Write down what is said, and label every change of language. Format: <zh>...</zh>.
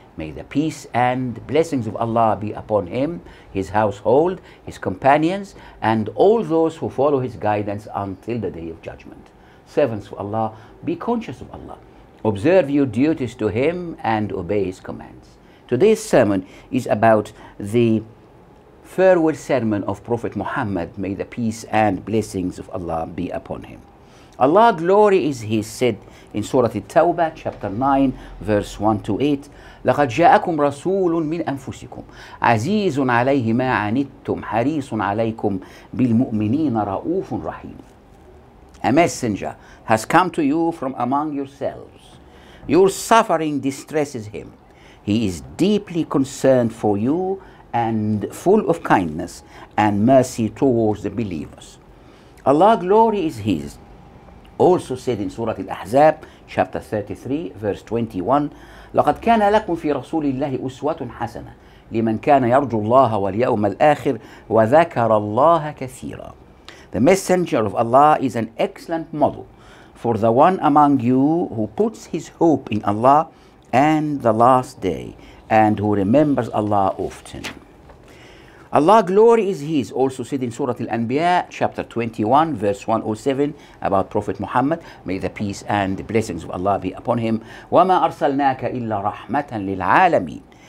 <en>May the peace and blessings of Allah be upon him, his household, his companions, and all those who follow his guidance until the day of judgment. Servants of Allah, be conscious of Allah. Observe your duties to him and obey his commands. Today's sermon is about the farewell sermon of Prophet Muhammad, may the peace and blessings of Allah be upon him. Allah, glory is His, said in Surah At-Tawbah, chapter 9, verse 1 to 8,</en> <ar>لقد جاءكم رسول من أنفسكم عزيز عليه ما عنتم حريص عليكم بالمؤمنين رؤوف رحيم.</ar> <en>A messenger has come to you from among yourselves. Your suffering distresses him. He is deeply concerned for you and full of kindness and mercy towards the believers. Allah, glory is His, also said in Surah Al-Ahzab, chapter 33, verse 21,</en> <ar>لقد كان لكم في رسول الله أسوة حسنة لمن كان يرجو الله واليوم الآخر وذكر الله كثيرا.</ar> <en>The messenger of Allah is an excellent model for the one among you who puts his hope in Allah and the last day and who remembers Allah often. Allah, glory is His, also said in Surah Al-Anbiya, chapter 21, verse 107, about Prophet Muhammad, may the peace and the blessings of Allah be upon him,</en> <ar>وَمَا أَرْسَلْنَاكَ إِلَّا رَحْمَةً لِلْعَالَمِينَ.</ar>